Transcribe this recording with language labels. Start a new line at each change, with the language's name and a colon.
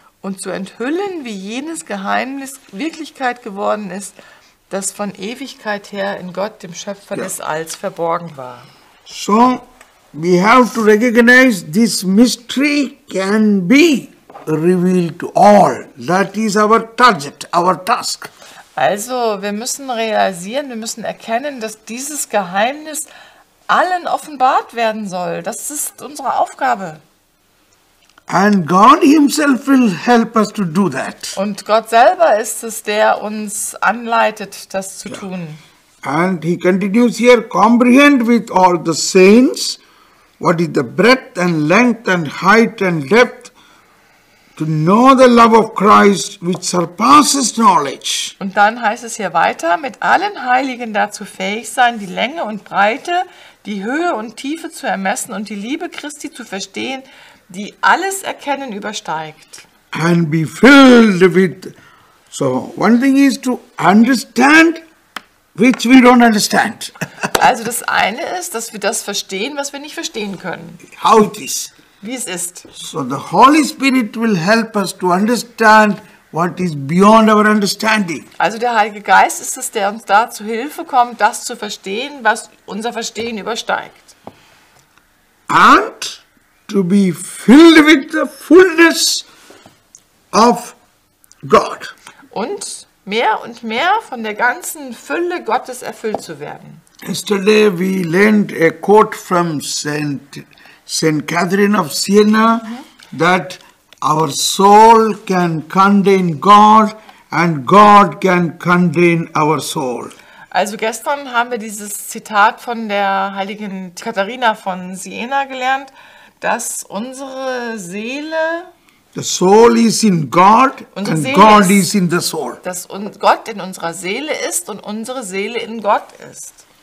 German: Und zu enthüllen, wie jenes Geheimnis Wirklichkeit geworden ist, das von Ewigkeit her in Gott, dem Schöpfer des Alls, verborgen war.
English: So, we have to recognize this mystery can be revealed to all. That is our target, our task.
German: Also, wir müssen realisieren, wir müssen erkennen, dass dieses Geheimnis allen offenbart werden soll. Das ist unsere Aufgabe.
English: And God himself will help us to do that.
German: Und Gott selber ist es, der uns anleitet, das zu tun.
English: And he continues here, comprehend with all the saints, what is the breadth and length and height and depth, to know the love of Christ which surpasses knowledge.
German: Und dann heißt es hier weiter, mit allen Heiligen dazu fähig sein, die Länge und Breite, die Höhe und Tiefe zu ermessen und die Liebe Christi zu verstehen, die alles Erkennen übersteigt.
English: And be filled with. So one thing is to understand, which we don't understand.
German: Also das eine ist, dass wir das verstehen, was wir nicht verstehen können.
English: How it is.
German: Wie es ist.
English: So the Holy Spirit will help us to understand what is beyond our understanding.
German: Also der Heilige Geist ist es, der uns da zu Hilfe kommt, das zu verstehen, was unser Verstehen übersteigt.
English: And to be filled with the fullness of God.
German: Und mehr von der ganzen Fülle Gottes erfüllt zu werden.
English: Yesterday we learned a quote from Saint Catherine of Siena, that our soul can contain God and God can contain our soul.
German: Also gestern haben wir dieses Zitat von der heiligen Katharina von Siena gelernt, dass unsere Seele,
English: the soul is in God,
German: unsere
English: and
German: Seele
English: God
German: ist,
English: is in the soul.
German: Dass Gott in unserer Seele ist und unsere Seele in Gott ist.